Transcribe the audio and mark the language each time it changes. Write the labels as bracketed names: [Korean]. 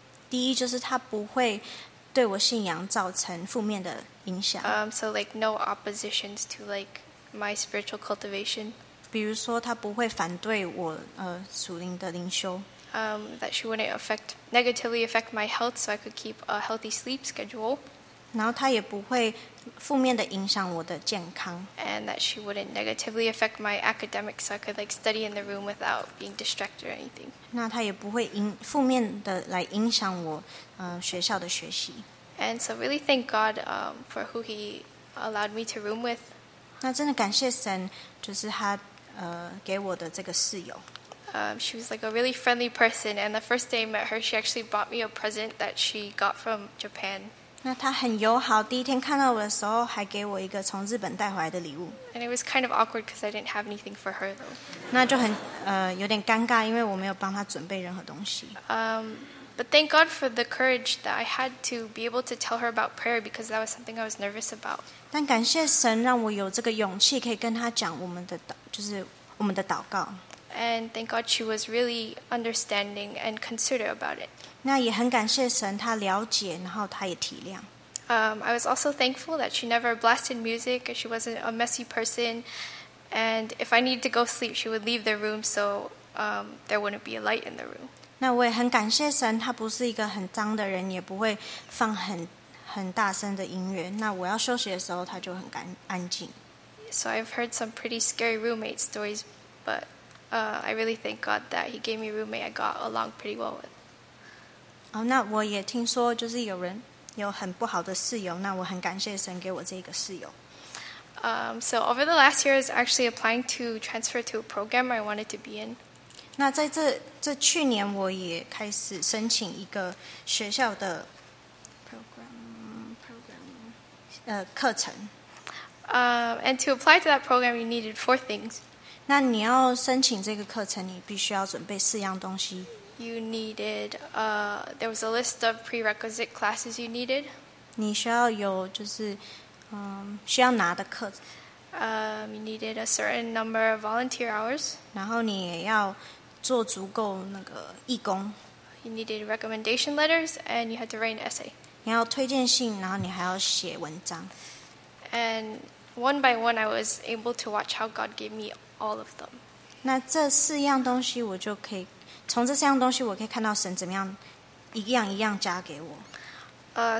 [Chinese] 第一就是他不会对我信仰造成负面的影响。 [English] So like no oppositions to like my spiritual cultivation. [Chinese] 比如说他不会反对我属灵的灵修。 [English] That she wouldn't negatively affect my health so I could keep a healthy sleep schedule. [Chinese] 然后他也不会负面的影响我的健康。 [English] And that she wouldn't negatively affect my academics so I could like study in the room without being distracted or anything. [Chinese] 那他也不会负面的来影响我学校的学习。 [English] And so really thank God for who he allowed me to room with. [Chinese] 那真的感谢神，就是他给我的这个室友。 [English] She was like a really friendly person, and the first day I met her, she actually bought me a present that she got from Japan. [Chinese] 那她很友好，第一天看到我的时候，还给我一个从日本带回来的礼物。 [English] And it was kind of awkward because I didn't have anything for her though. [Chinese] 那就很有点尴尬，因为我没有帮她准备任何东西。 [English] But thank God for the courage that I had to be able to tell her about prayer because that was something I was nervous about. [Chinese] 但感谢神让我有这个勇气可以跟他讲我们的就是我们的祷告。 [English] And thank God she was really understanding and considerate about it. [Chinese] 那也很感谢神他了解然后他也体谅。 [English] I was also thankful that she never blasted music, she wasn't a messy person, and if I needed to go sleep, she would leave the room so there wouldn't be a light in the room. [Chinese] 那我也很感谢神他不是一个很脏的人也不会放很大声的音乐，那我要休息的时候，他就很安静。 [English] So I've heard some pretty scary roommate stories, but I really thank God that he gave me a roommate I got along pretty well with. [Chinese] 那我也听说就是有人有很不好的室友，那我很感谢神给我这个室友。 [English] So over the last years, actually applying to transfer to a program I wanted to be in. [Chinese] 那在这去年我也开始申请一个学校的 program课程。 [English] And to apply to that program, you needed four things. [Chinese] 那你要申请这个课程，你必须要准备四样东西。 [English] You needed, there was a list of prerequisite classes you needed. [Chinese] 你需要有就是需要拿的课。 [English] You needed a certain number of volunteer hours. [Chinese] 然后你也要做足够那个义工。 [English] You needed recommendation letters and you had to write an essay. [Chinese] 你要推荐信，然后你还要写文章。 [English] And one by one, I was able to watch how God gave me all of them. [Chinese] 那这四样东西我就可以。从这三样东西，我可以看到神怎么样一样一样加给我。